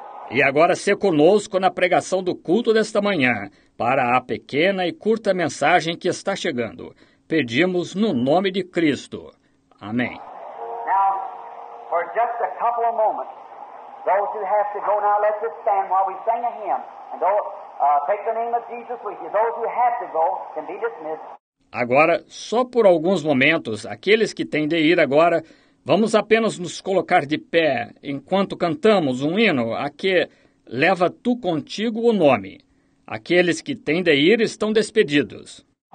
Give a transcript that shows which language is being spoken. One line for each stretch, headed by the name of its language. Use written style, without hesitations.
Portuguese: E agora se conosco na pregação do culto desta manhã, para a pequena e curta mensagem que está chegando. Pedimos no nome de Cristo. Amém.
English: Now, for just a couple of moments, those who have to go now, let's just stand while we sing a hymn. And take the name of Jesus with you. Those who have to go can be dismissed.
Portuguese: Agora, só por alguns momentos, aqueles que têm de ir agora, vamos apenas nos colocar de pé enquanto cantamos um hino a que leva tu contigo o nome. Aqueles que têm de ir estão despedidos.